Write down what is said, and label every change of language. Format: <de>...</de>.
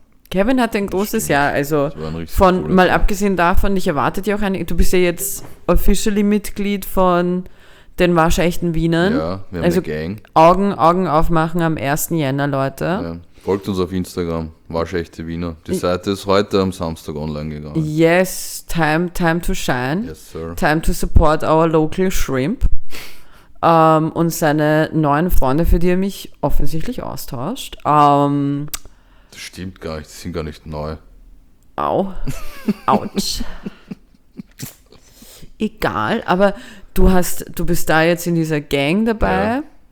<de>Kevin hatte ein großes Jahr, also von, mal abgesehen davon, ich erwarte dir auch eine, du bist ja jetzt officially Mitglied von den waschechten Wienern. Ja, wir haben also eine Gang. Augen aufmachen am 1. Jänner, Leute. Ja. Folgt uns auf Instagram, waschechte Wiener. Die Seite ist heute am Samstag online gegangen.</de> <en>Yes, time to shine. Yes, sir. Time to support our local shrimp.</en> <de>Und seine neuen Freunde, für die er mich offensichtlich austauscht. Das stimmt gar nicht, die sind gar nicht neu. Au. Autsch. Egal, aber du bist da jetzt in dieser Gang dabei.</de>